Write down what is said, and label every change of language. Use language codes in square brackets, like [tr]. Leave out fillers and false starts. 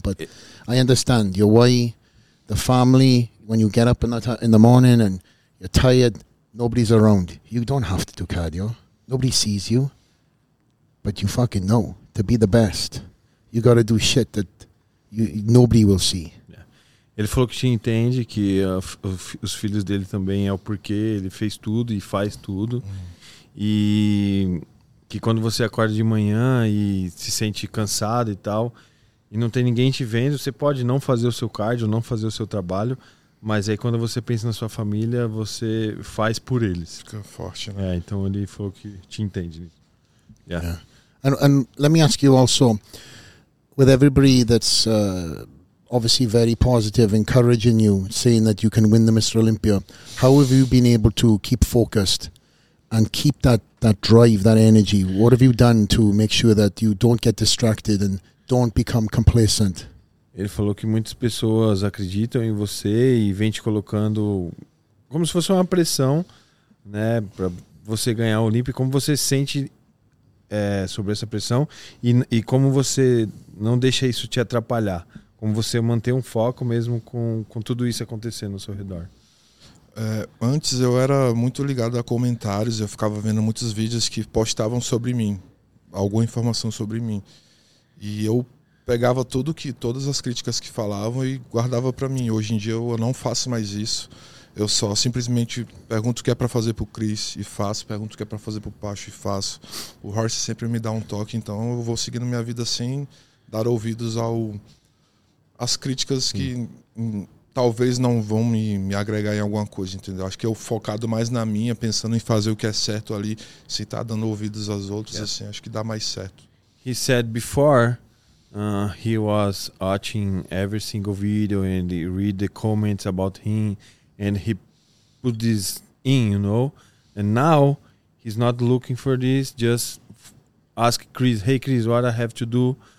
[en] But I understand your why, the family, when you get up in the morning and you're tired, nobody's around. You don't have to do cardio. Nobody sees you. But you fucking know, to be the best, you got to do shit that nobody will see. [pt] Ele falou que te entende, que os filhos dele também é o porquê, ele fez tudo e faz tudo. E que quando você acorda de manhã e se sente cansado e tal, e não tem ninguém te vendo, você pode não fazer o seu cardio, não fazer o seu trabalho, mas aí quando você pensa na sua família, você faz por eles. Fica forte, né? É, então ele falou que te entende. [en] Yeah. And let me ask you also, with everybody that's obviously very positive, encouraging you, saying that you can win the Mr. Olympia, how have you been able to keep focused and keep that drive, that energy? What have you done to make sure that you don't get distracted and don't become complacent? [pt] Ele falou que muitas pessoas acreditam em você e vem te colocando como se fosse uma pressão, né, para você ganhar o Olympia. Como você sente sobre essa pressão e como você não deixa isso te atrapalhar, como você manter um foco mesmo com tudo isso acontecendo ao seu redor. Antes eu era muito ligado a comentários, eu ficava vendo muitos vídeos que postavam sobre mim, alguma informação sobre mim, e eu pegava todas as críticas que falavam e guardava para mim. Hoje em dia eu não faço mais isso. Eu só simplesmente pergunto o que é para fazer pro Chris e faço, pergunto o que é para fazer pro Pacho e faço. O Horst sempre me dá um toque, então eu vou seguindo minha vida sem dar ouvidos às críticas que talvez não vão me agregar em alguma coisa, entendeu? Acho que eu focado mais na minha, pensando em fazer o que é certo ali, se tá dando ouvidos aos outros, assim, acho que dá mais certo. [en] He said before, he was watching every single video and he read the comments about him. And he put this in, you know. And now he's not looking for this. Just ask Chris, hey, Chris, what I have to do?